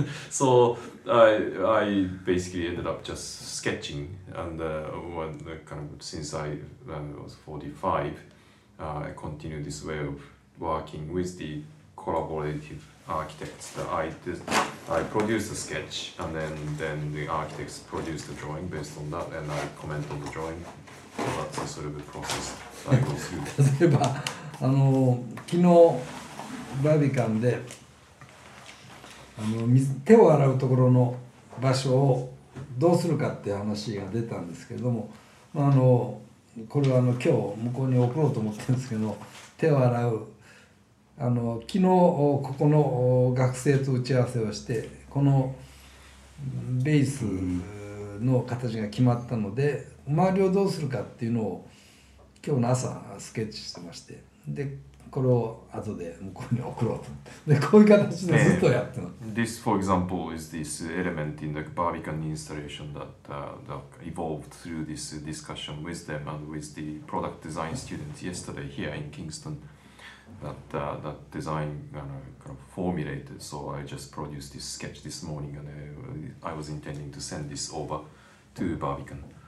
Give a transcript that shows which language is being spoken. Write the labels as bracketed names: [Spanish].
[English] So I basically ended up just sketching, and since I was 45, I continued this way of working with the collaborative architects. I produce a sketch and then the architects produce the drawing based on that and I comment on the drawing. So that's a sort of a process that I go through. [Japanese] 例えば、あの、昨日バービカンで、あの、手を洗うところの場所をどうするかっていう話が出たんですけれども、まあ、あの、これはあの、今日向こうに送ろうと思ってるんですけど、手を洗う、あの昨日ここの学生と打ち合わせをしてこのベースの形が決まったので周りをどうするかっていうのを今日の朝スケッチしてましてでこれを後で向こうに送ろうとでこういう形でずっとやってます。 [English] This, for example, is this element in the Barbican installation that, that evolved through this discussion with them and with the product design students yesterday here in Kingston. That design kind of formulated, so I just produced this sketch this morning and I was intending to send this over to Barbican.